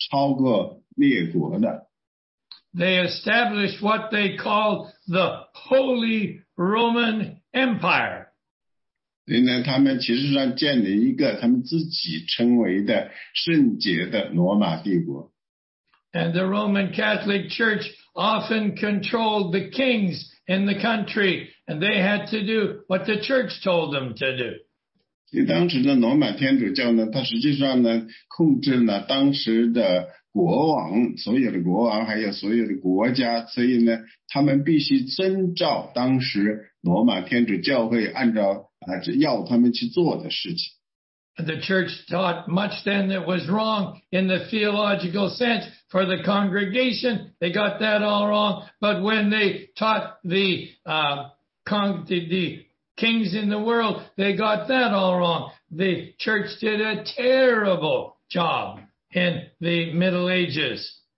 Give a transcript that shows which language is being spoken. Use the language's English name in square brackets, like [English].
[Chinese] 因为在中世纪，实际上罗马天主教呢，他们想要一个这样的权柄，是超过列国的。They [English] established what they called the Holy Roman Empire. [Chinese] 因为他们其实上建立一个他们自己称为的圣洁的罗马帝国。And [English] the Roman Catholic Church often controlled the kings in the country, and they had to do what the church told them to do. [Chinese] 当时的罗马天主教呢，它实际上呢，控制了当时的国王，所有的国王，还有所有的国家，所以呢，他们必须遵照当时罗马天主教会按照要他们去做的事情。 [English] The church taught much then that was wrong in the theological sense for the congregation. They got that all wrong. But when they taught the kings in the world, they got that all wrong. The church did a terrible job in the Middle Ages.